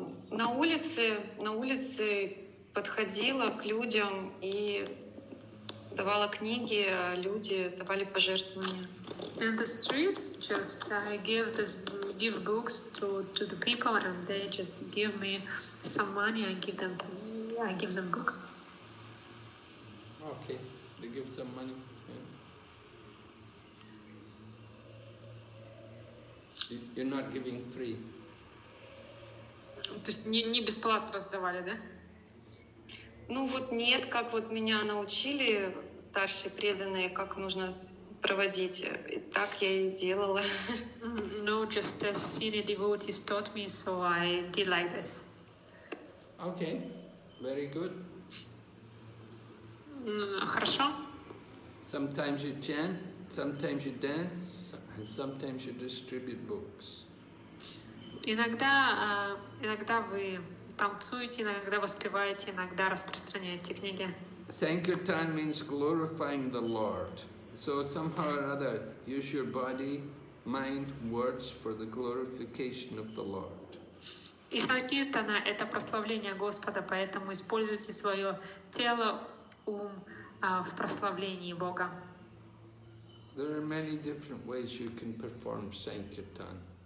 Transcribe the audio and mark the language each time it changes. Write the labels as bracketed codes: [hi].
[ru] На улице подходила к людям и давала книги, а люди давали пожертвования. [en] In the streets, just give books to the people, and they just give me some money. I give them books. Okay, they give some money. Yeah. You're not giving free. [ru] То есть не бесплатно раздавали, да? Ну вот нет, как вот меня научили старшие преданные, как нужно проводить. И так я и делала. [en] No, just as senior devotees taught me, so I did like this. Okay, very good. [ru] Хорошо. [en] Sometimes you chant, sometimes you dance, and sometimes you distribute books. [ru] Иногда вы танцуете, иногда воспеваете, иногда распространяете книги. [en] Sankirtan means glorifying the Lord. So somehow or other, use your body, mind, words for the glorification of the Lord. [ru] И санкиртана — это прославление Господа, поэтому используйте свое тело, ум в прославлении Бога. [en] There are many different ways you can perform sankirtan.